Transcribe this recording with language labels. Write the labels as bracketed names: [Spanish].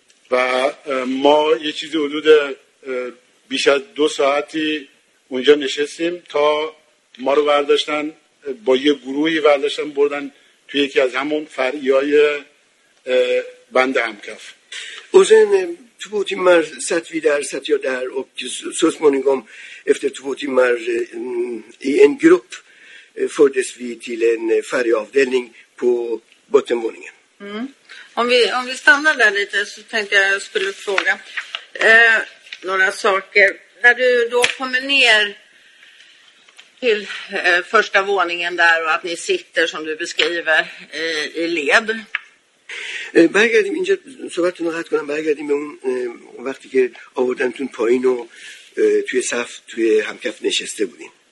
[Persian] و ما یه چیزی حدود بیش از دو ساعتی اونجا نشستیم تا ما رو برداشتن با یه گروهی برداشتن بردن توی یکی از همون فرعی های بند همکف [Swedish] و زن två timmar satt vi där, satt jag där och så småningom efter två timmar i en grupp fördes vi till en färgavdelning på bottenvåningen. Mm. Om vi stannar där lite så tänkte jag skulle fråga några saker. När du då kommer ner till första våningen där och att ni sitter som du beskriver i led. [Persian] برگردیم اینجا صحبتتون رو قطع کنم، برگردیم به اون وقتی که آوردنتون پایین و توی صف توی همکف نشسته بودین.